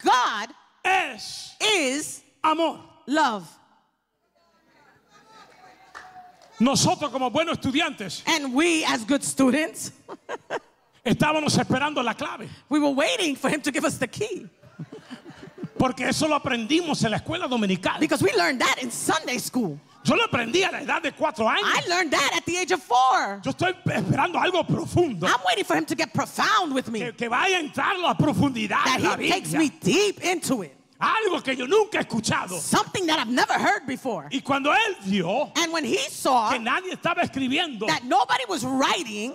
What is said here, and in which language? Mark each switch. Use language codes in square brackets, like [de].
[en] God [es] es, [en] is [es] amor. [en] Love. [es] Nosotros como buenos estudiantes, [en] and we as good students, [es] estábamos esperando la clave. [en] We were waiting for him to give us the key. [es] Porque eso lo aprendimos en la escuela dominical. [en] Because we learned that in Sunday school. [es] Yo lo aprendí a la edad de 4 años. [en] I learned that at the age of 4. [es] Yo estoy esperando algo profundo. [en] I'm waiting for him to get profound with me. [es] Que vaya a entrar a profundidad. [en] That he takes me deep into it. [es] Algo que yo nunca he escuchado. [en] Something that I've never heard before. [es] Y cuando él vio, [en] and when he saw, [es] que nadie estaba escribiendo, [en] that nobody was writing,